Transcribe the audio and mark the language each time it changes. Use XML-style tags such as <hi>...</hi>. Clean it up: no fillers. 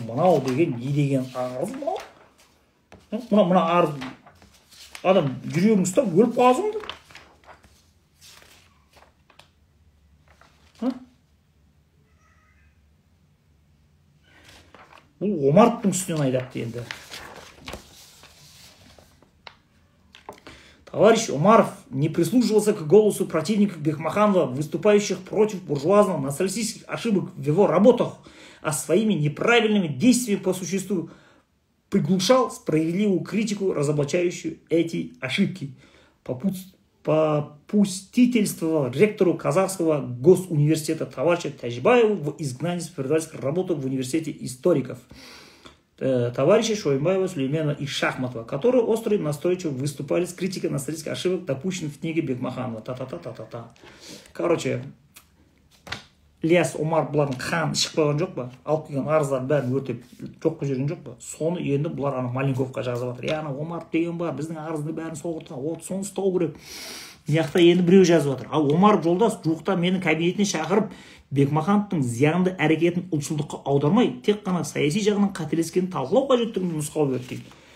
<kk>Мынау деген не деген арыз ма? Мына арыз. Адам жүрегін ұстап өліп қалсын деп. Бұл Омаровтың үстінен айдапты енді.</kk> <ru>Товарищ Умаров не прислушивался к голосу противников Бекмаханова, выступающих против буржуазно-националистических ошибок в его работах, а своими неправильными действиями по существу приглушал справедливую критику, разоблачающую эти ошибки. Попустительствовал ректору Казахского госуниверситета товарища Тәжібаеву в изгнании с преподавательской работы в университете историков. Товарищи Шойбаева, Сулейменова и Шахматова, которые остро и настойчиво выступали с критикой на сталинских ошибок, допущенных в книге Бекмаханова. Та-та-та-та-та-та.</ru> <kk>Короче, Лияс Омар бұлардың қан ішіп қойған жоқ па? Алып келген арыздар бәрін өртеп жоқ қой жүрген жоқ па? Соны енді бұлар ана Маленковқа жазып жатыр. Ана Омар деген бар, біздің арызды бәрін соғыртқан, вот соны ұстау керек. Жақта енді біреу жазып жатыр. Ал Омар жолдас жуықта менің кабинетіне шақырып, Бекмахановтың зиянды әрекетін ұлтшылдыққа аудармай, тек қана саяси жағынан қателескенін талқылау қажеттігін нұсқау берді дейді.</kk>